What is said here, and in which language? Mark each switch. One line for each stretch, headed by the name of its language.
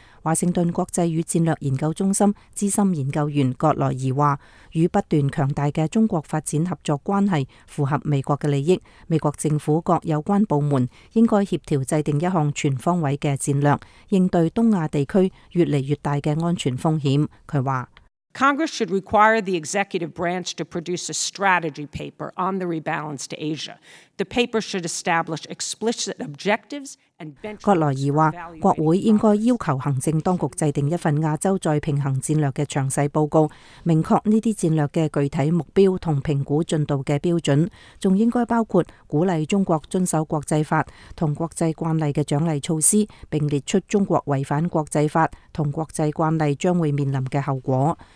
Chinese: 华盛顿国际与战略研究中心资深研究员葛莱尔说，与不断强大的中国发展合作关系符合美国的利益，美国政府各有关部门应该协调制定一项全方位的战略，应对东亚地区越来越大的安全风险。他说，
English: Congress should require the executive branch to produce a strategy paper on the rebalance to Asia. The paper should establish explicit objectives and benchmarks.
Chinese: 葛莱尔说，国会应该要求行政当局制定一份亚洲再平衡战略的详细报告，明确这些战略的具体目标和评估进度的标准，还应该包括鼓励中国遵守国际法和国际惯例的奖励措施，并列出中国违反国际法和国际惯例将会面临的后果。